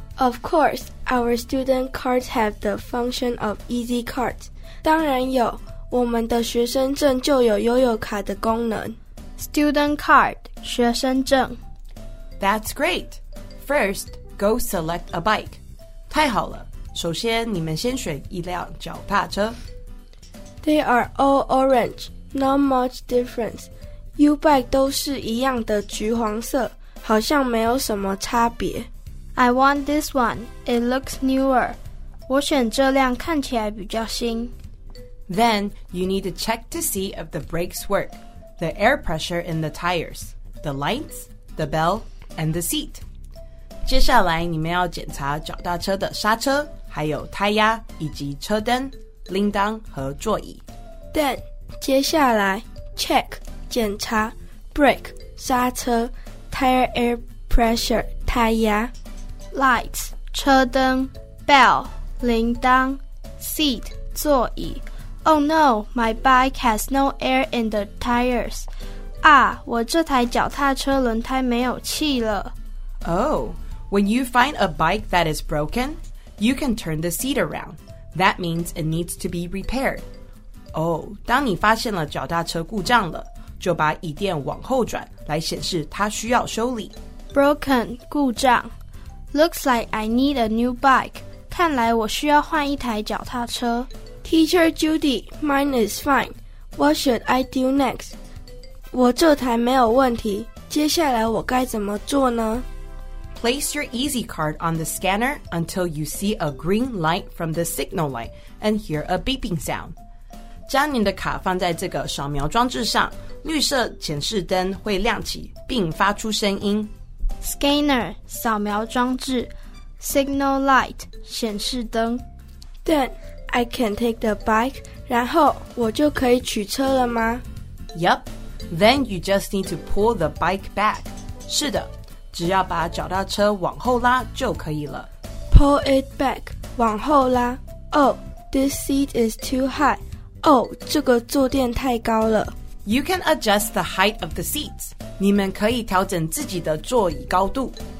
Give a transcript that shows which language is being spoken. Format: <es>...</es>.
<en>Of course, our student cards have the function of easy cards.</en> <zh>当然有，我们的学生证就有悠悠卡的功能。 Student card, 学生证。</zh> <en>That's great. First, go select a bike.</en> <zh>太好了，首先你们先选一辆脚踏车。</zh> <en>They are all orange, not much difference.</en> <zh>U-bike 都是一样的橘黄色，好像没有什么差别。</zh> <en>I want this one. It looks newer.</en> <zh>我选这辆看起来比较新。</zh> <en>Then, you need to check to see if the brakes work. The air pressure in the tires. The lights, the bell, and the seat.</en> <zh>接下来你们要检查脚踏车的刹车、还有胎压、以及车灯、铃铛和座椅。</zh> <en>Then, 接下来 check, 检查 brake, 刹车 tire air pressure, 胎压。 Lights, 车灯 Bell, 铃铛 Seat, 座椅 Oh no, my bike has no air in the tires.</en> <zh>啊，我这台脚踏车轮胎没有气了。</zh> <en>Oh, when you find a bike that is broken, you can turn the seat around. That means it needs to be repaired.</en> <zh>Oh, 当你发现了脚踏车故障了，就把椅垫往后转，来显示它需要修理。</zh> <en>Broken, 故障Looks like I need a new bike.</en> <zh>看来我需要换一台脚踏车。</zh> <en>Teacher Judy, mine is fine. What should I do next?</en> <zh>我这台没有问题。接下来我该怎么做呢？</zh> <en>Place your easy card on the scanner until you see a green light from the signal light and hear a beeping sound.</en> <zh>将您的卡放在这个扫描装置上，绿色显示灯会亮起并发出声音。</zh> <en>Scanner, 扫描装置 Signal light, 显示灯 Then, I can take the bike</en> <zh>然后我就可以取车了吗</zh> <en>Yup, then you just need to pull the bike back</en> <zh>是的，只要把脚踏车往后拉就可以了</zh> <en>Pull it back, 往后拉 Oh, this seat is too high Oh,</en> <zh>这个坐垫太高了</zh> <en>You can adjust the height of the seats.</en> <zh>你们可以调整自己的座椅高度。</zh>